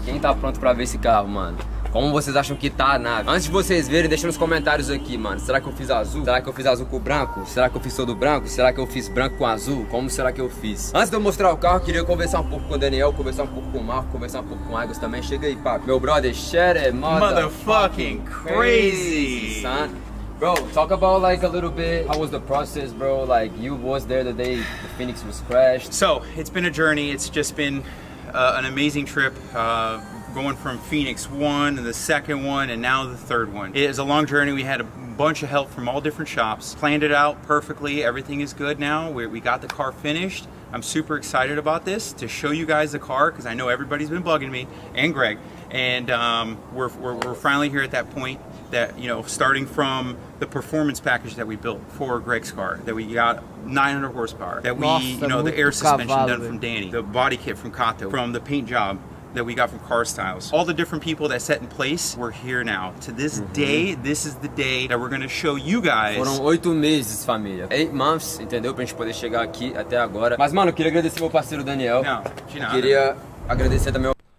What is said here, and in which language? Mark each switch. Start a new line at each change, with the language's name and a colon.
Portuguese: Quem tá pronto pra ver esse carro, mano? Como vocês acham que tá a nave? Antes de vocês verem, deixa nos comentários aqui, mano. Será que eu fiz azul? Será que eu fiz azul com branco? Será que eu fiz todo branco? Será que eu fiz branco com azul? Como será que eu fiz? Antes de eu mostrar o carro, eu queria conversar um pouco com o Daniel, conversar um pouco com o Marco, conversar um pouco com o Agus também. Chega aí, papo. Meu brother,
English: share it, motherfucking crazy, son. Bro, talk about like a little bit, how was the process, bro? Like, you was there the day the Phoenix was crashed. So, it's been a journey. It's just been an amazing trip. Going from Phoenix 1 and the second one and now the third one. It is a long journey. We had a bunch of help from all different shops. Planned it out perfectly. Everything is good now. We got the car finished. I'm super excited about this to show you guys the car because I know everybody's been bugging me and Greg. And we're finally here at that point that, you know, starting from the performance package that we built for Greg's car, that we got 900 horsepower, that we, you know, the air suspension done from Danny, the body kit from Kato, from the paint job that we got from Car Styles. All the different people that set in place, we're here now. To this day, this is the day that we're gonna show you guys.
Portuguese: Foram 8 meses, família.
English: 8 months,
Portuguese: entendeu? Pra gente poder chegar aqui até agora. Mas, mano, eu queria agradecer meu parceiro Daniel. Não, de nada. Queria agradecer também ao...